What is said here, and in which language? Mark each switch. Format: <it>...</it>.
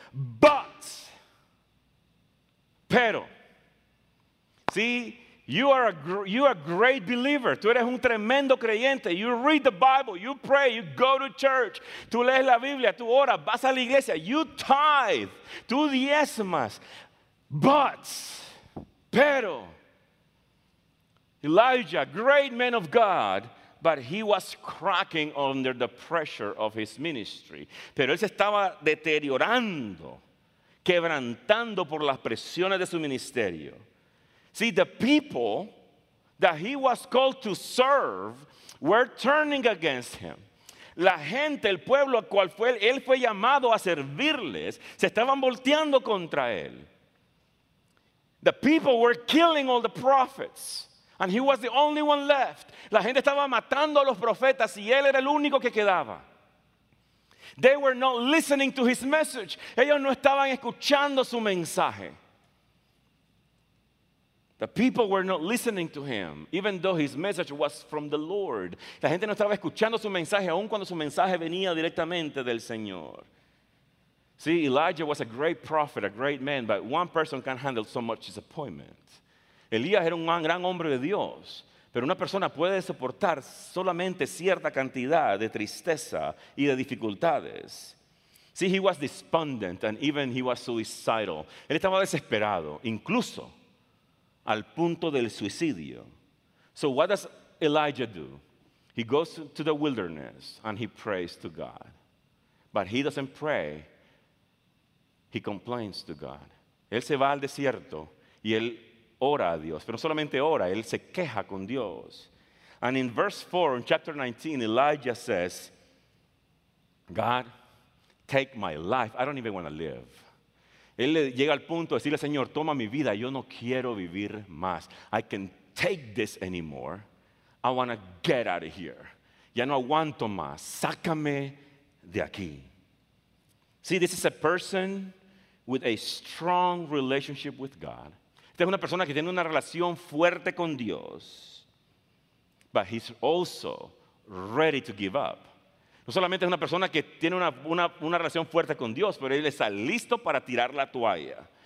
<en>But, pero, see, you are a great believer.</en> <es>Tú eres un tremendo creyente.</es> <en>You read the Bible. You pray. You go to church.</en> <es>Tú lees la Biblia. Tú oras. Vas a la iglesia.</es> <en>You tithe.</en> <es>Tú diezmas.</es> <en>But, pero, Elijah, great man of God, but he was cracking under the pressure of his ministry.</en> <es>Pero él se estaba deteriorando, quebrantando por las presiones de su ministerio.</es> <en>See, the people that he was called to serve were turning against him.</en> <es>La gente, el pueblo al cual fue, él fue llamado a servirles, se estaban volteando contra él.</es> <en>The people were killing all the prophets, and he was the only one left.</en> <es>La gente estaba matando a los profetas y él era el único que quedaba.</es> <en>They were not listening to his message.</en> <es>Ellos no estaban escuchando su mensaje.</es> <en>The people were not listening to him, even though his message was from the Lord.</en> <es>La gente no estaba escuchando su mensaje, aun cuando su mensaje venía directamente del Señor.</es> <en>See, Elijah was a great prophet, a great man, but one person can't handle so much disappointment.</en> <es>Elías era un gran hombre de Dios, pero una persona puede soportar solamente cierta cantidad de tristeza y de dificultades.</es> <en>See, he was despondent and even he was suicidal.</en> <es>Él estaba desesperado, incluso al punto del suicidio.</es> <en>So what does Elijah do? He goes to the wilderness and he prays to God. But he doesn't pray. He complains to God.</en> <es>Él se va al desierto y él ora a Dios. Pero no solamente ora, él se queja con Dios.</es> <en>And in verse 4, in chapter 19, Elijah says, God, take my life. I don't even want to live.</en> <es>Él llega al punto de decirle, Señor, toma mi vida. Yo no quiero vivir más.</es> <en>I can't take this anymore. I want to get out of here.</en> <es>Ya no aguanto más. Sácame de aquí.</es> <en>See, this is a person with a strong relationship with God.</en> <es>Esta es una persona que tiene una relación fuerte con Dios.</es> <en>But he's also ready to give up.</en> <es>No solamente es una persona que tiene una relación fuerte con Dios, pero él está listo para tirar la toalla.</es>